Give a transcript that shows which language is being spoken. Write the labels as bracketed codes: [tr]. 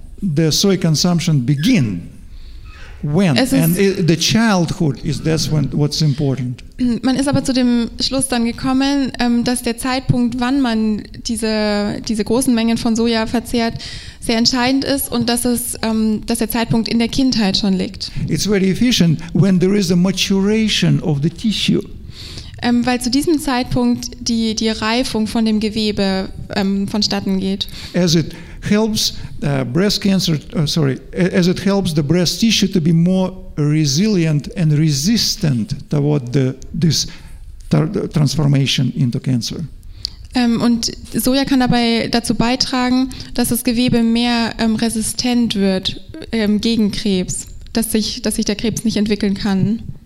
[en] the soy consumption begin? When? And the childhood is that's when what's important. [de] Man ist aber zu dem Schluss dann gekommen, dass der Zeitpunkt, wann man diese großen Mengen von Soja verzehrt, sehr entscheidend ist und dass der Zeitpunkt in der Kindheit schon liegt. [en] It's very efficient when there is a maturation of the tissue. [de] Weil zu diesem Zeitpunkt die Reifung von dem Gewebe vonstatten geht. [en] As it helps breast cancer, as it helps the breast tissue to be more resilient and resistant toward this transformation into cancer. [de] Und Soja kann dabei dazu beitragen, dass das Gewebe mehr resistent wird gegen Krebs, dass sich der Krebs nicht entwickeln kann.